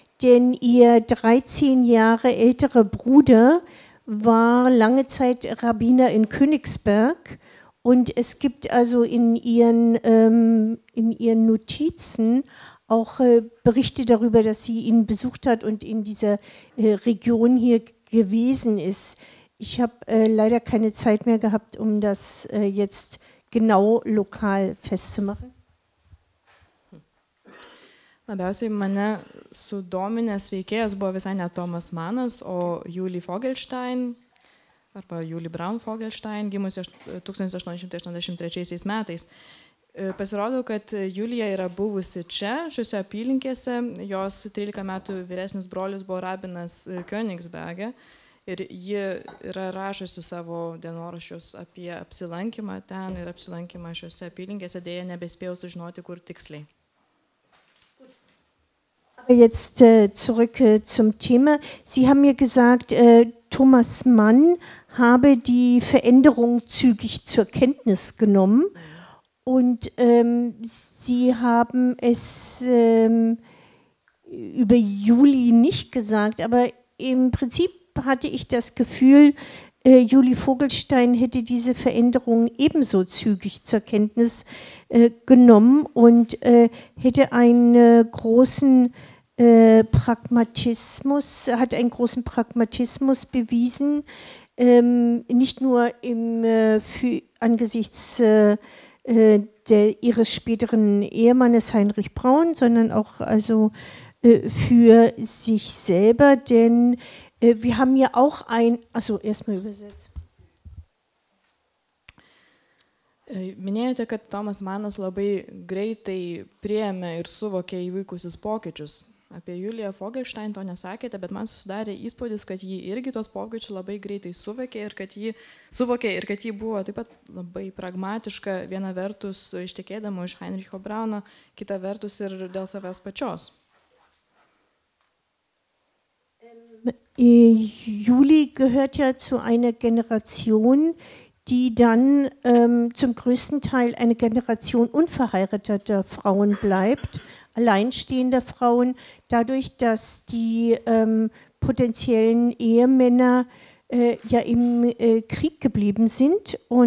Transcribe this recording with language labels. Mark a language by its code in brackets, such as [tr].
[de] denn ihr 13 Jahre älterer Bruder war lange Zeit Rabbiner in Königsberg und es gibt also in ihren Notizen auch Berichte darüber, dass sie ihn besucht hat und in dieser Region hier gewesen ist. Ich habe leider keine Zeit mehr gehabt, um das jetzt genau lokal festzumachen. [lt] Labiausiai mane sudominęs veikėjas buvo visai ne Thomas Mannas, o Julie Vogelstein, arba Julie Braun Vogelstein, gimusi 1883 metais. Pasirodo, kad Julija yra buvusi čia, šiuose apylinkėse. Jos 13 metų vyresnis brolis buvo rabinas Königsberge. Ir ji yra rašusi savo dienoraščius apie apsilankymą ten ir apsilankymą šiuose apylinkėse, dėja nebespėjau sužinoti, kur tiksliai. [de] Jetzt zurück zum Thema. Sie haben mir gesagt, Thomas Mann habe die Veränderung zügig zur Kenntnis genommen und Sie haben es über Juli nicht gesagt, aber im Prinzip hatte ich das Gefühl, Juli Vogelstein hätte diese Veränderung ebenso zügig zur Kenntnis genommen und hätte einen großen Pragmatismus bewiesen, nicht nur angesichts ihres späteren Ehemannes Heinrich Braun, sondern auch also für sich selber, denn wir haben ja auch erstmal übersetzt. [lt] Minėjote, kad Tomas Manas labai greitai priėmė ir suvokė įvykusius pokyčius. Apie Juliją Vogelstein to nesakėte, bet man susidarė įspūdis, kad ji irgi tos pokyčius labai greitai suvokė ir kad ji buvo taip pat labai pragmatiška, viena vertus ištikėdama iš Heinricho Brauno, kita vertus ir dėl savęs pačios. [de] Juli gehört ja zu einer Generation, die dann zum größten Teil eine Generation unverheirateter Frauen bleibt, alleinstehender Frauen, dadurch, dass die potenziellen Ehemänner Krieg geblieben sind.